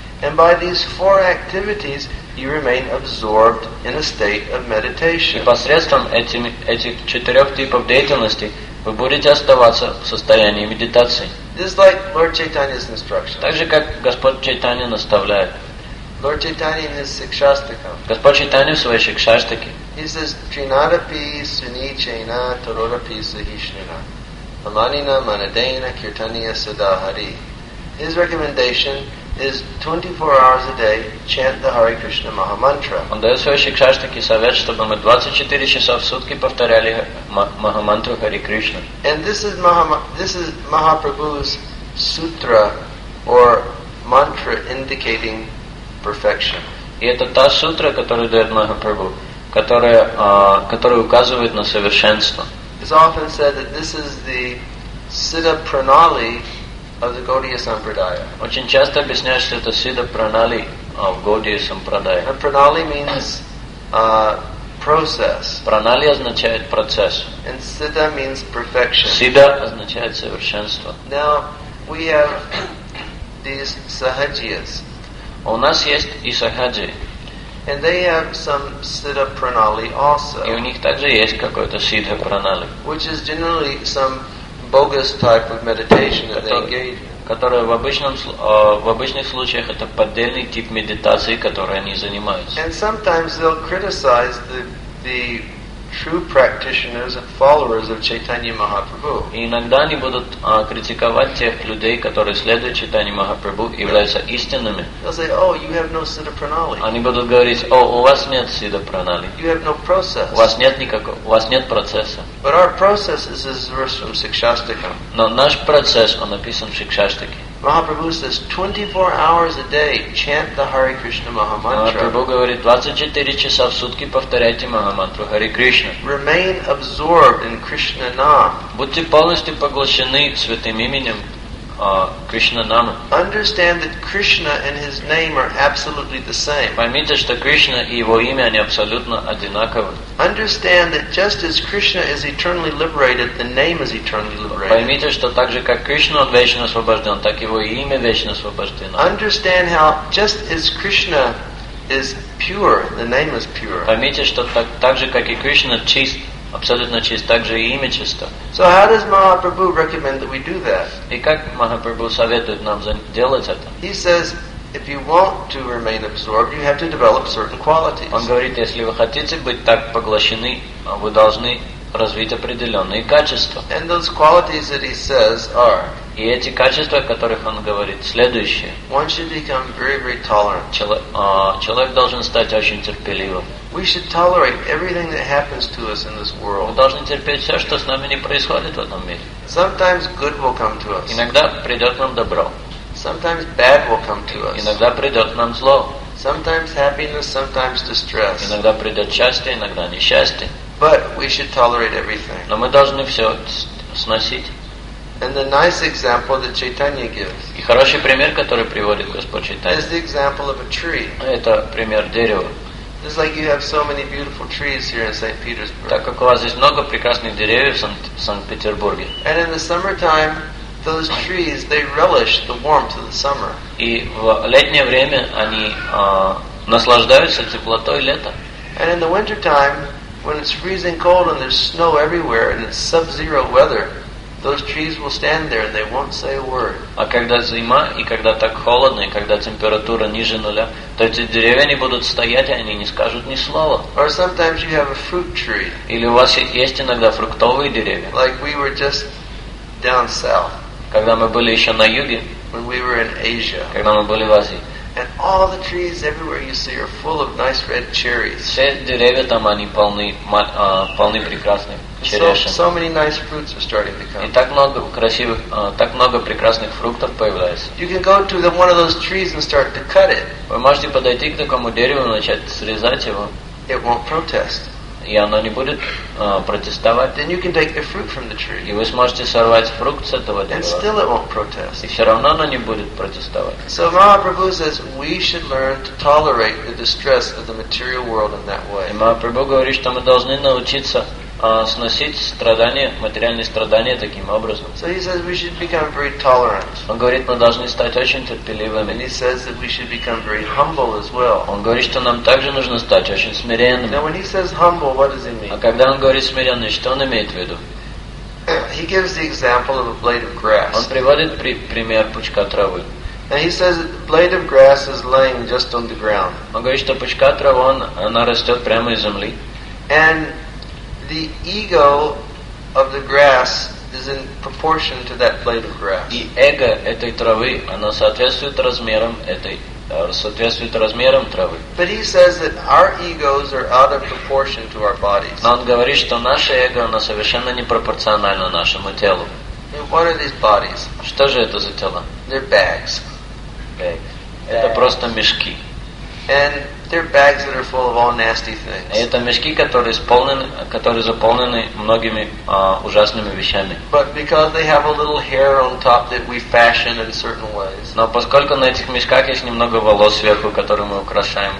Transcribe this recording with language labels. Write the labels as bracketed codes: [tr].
[en] And by these four activities, you remain absorbed in a state of meditation. [ru] И посредством этих четырех типов деятельности вы будете оставаться в состоянии медитации. [en] This is like Lord Chaitanya's instruction. [ru] Так же, как Господь Чайтанья наставляет. [en] Lord Chaitanya in his Shikshastakam. [ru] Господь Чайтанья в своей Шикшастике. [en] He says, [sa] Trinadapi suni chena tarodapi sahishnana. Alanina manadena kirtaniya sadahari. [en] His recommendation is 24 hours a day chant the Hare Krishna Maha Mantra. [ru] Он дает в своей Шикшастике совет, чтобы мы 24 часа в сутки повторяли Махамантру Хари Кришна. [en] And this is Mahaprabhu's sutra or mantra indicating perfection. [ru] И это та сутра, которую дает Махапрабху, которая указывает на совершенство. [en] It's often said that this is the Siddha Pranali of the Gaudiya Sampradaya. [ru] Очень часто объясняют, что это Siddha Pranali of Gaudiya Sampradaya. [en] And Pranali means process. [ru] Pranali означает процесс. [en] And Siddha means perfection. [ru] Siddha означает совершенство. [en] Now, we have these Sahajiyas. [ru] У нас есть и Сахаджи. [en] And they have some Siddha Pranali also. [ru] И у них также есть какой-то Siddha Pranali. [en] Which is generally some bogus type of meditation that they engage in. [ru] Которая в обычных случаях это поддельный тип медитации, которой они занимаются. [en] And sometimes they'll criticize the true practitioners and followers of Chaitanya Mahaprabhu. [ru] И иногда они будут критиковать тех людей, которые следуют Чайтанье Махапрабху, являются истинными. [en] They'll say, oh, you have no Siddha Pranali. [ru] Они будут говорить, о, у вас нет Siddha Pranali. [en] You have no process. [ru] У вас нет процесса. [en] But our process is this verse from Shikshastakam. [ru] Но наш процесс, он написан в Шикшастике. [en] Mahaprabhu says 24 hours a day chant the Hare Krishna Maha Mantra. [ru] Mahaprabhu говорит 24 часа в сутки повторяйте Махамантру Hare Krishna. [en] Remain absorbed in Krishna Nama. [ru] Будьте полностью поглощены святым именем Krishna Nama. [en] Understand that Krishna and his name are absolutely the same. [ru] Поймите, что Кришна и его имя они абсолютно одинаковы. [en] Understand that just as Krishna is eternally liberated, the name is eternally liberated. [ru] Поймите, что так же, как Кришна он вечно освобожден, так его и имя вечно освобождено. [en] Understand how just as Krishna is pure, the name is pure. [ru] Поймите, что так же, как и Кришна чист, абсолютно чист, так же и имя чисто. [en] So how does Mahaprabhu recommend that we do that? [ru] И как Махапрабху советует нам делать это? [en] He says, if you want to remain absorbed, you have to develop certain qualities. [ru] Он говорит, если вы хотите быть так поглощены, вы должны развить определенные качества. [en] And those qualities that he says are. [ru] И эти качества, о которых он говорит, следующие. [en] One should become very, very tolerant. [ru] Человек должен стать очень терпеливым. [en] We should tolerate everything that happens to us in this world. [ru] Мы должны терпеть все, что с нами не происходит в этом мире. [en] Sometimes good will come to us. [ru] Иногда придет нам добро. [en] Sometimes bad will come to us. [ru] Иногда придет нам зло. [en] Sometimes happiness, sometimes distress. [ru] Иногда придет счастье, иногда несчастье. [en] But we should tolerate everything. [ru] Но мы должны все сносить. [en] And the nice example that Chaitanya gives. [ru] И хороший пример, который приводит Господь Чайтанья. [en] Is the example of a tree. [ru] Это пример дерева. [en] It's like you have so many beautiful trees here in St. Petersburg. [ru] Так как у вас здесь много прекрасных деревьев в Санкт-Петербурге. [en] And in the summertime, those trees, they relish the warmth of the summer. [ru] И в летнее время они наслаждаются теплотой лета. [en] And in the winter time, when it's freezing cold and there's snow everywhere and it's sub-zero weather, those trees will stand there and they won't say a word. [ru] А когда зима и когда так холодно и когда температура ниже нуля, то эти деревья не будут стоять, и они не скажут ни слова. [en] Or sometimes you have a fruit tree. [ru] Или у вас есть иногда фруктовые деревья. [en] Like we were just down south. [ru] Когда мы были еще на юге. [en] When we were in Asia. [ru] Когда мы были в Азии. [en] And all the trees everywhere you see are full of nice red cherries. [ru] Все деревья там они полны, полны прекрасных черешен. [en] So many nice fruits are starting to come. [ru] И так много красивых, так много прекрасных фруктов появляется. [en] You can go to one of those trees and start to cut it. [ru] Вы можете подойти к такому дереву и начать срезать его. [en] It won't protest. [ru] И оно не будет протестовать. [en] Then you can take the fruit from the tree. [ru] И вы сможете сорвать фрукт с этого дерева. [en] And still it won't protest. [ru] И все равно оно не будет протестовать. [en] So Mahaprabhu says we should learn to tolerate the distress of the material world in that way. [ru] И Махапрабху говорит, что мы должны научиться сносить страдания, материальные страдания таким образом. [en] So he says we should become very tolerant. [ru] Он говорит, мы должны стать очень терпеливыми. [en] And he says that we should become very humble as well. [ru] Он говорит, что нам также нужно стать очень смиренными. [en] Now when he says humble, what does he mean? [ru] А когда он говорит смиренный, что он имеет в виду? [en] He gives the example of a blade of grass. [ru] Он приводит пример пучка травы. [en] And he says that the blade of grass is laying just on the ground. [ru] Он говорит, что пучка травы, она растет прямо из земли. [en] And the ego of the grass is in proportion to that blade of grass. [ru] И эго этой травы, оно соответствует размерам этой, соответствует размерам травы. [en] But he says that our egos are out of proportion to our bodies. [ru] Но он говорит, что наше эго, оно совершенно непропорционально нашему телу. [en] And what are these bodies? [ru] Что же это за тело? [en] They're bags. [ru] Bags. Это просто мешки. [en] And they're bags that are full of all nasty things. [ru] Это мешки, которые исполнены, которые заполнены многими ужасными вещами. [en] But because they have a little hair on top that we fashion in certain ways. [ru] Но поскольку на этих мешках есть немного волос сверху, которые мы украшаем.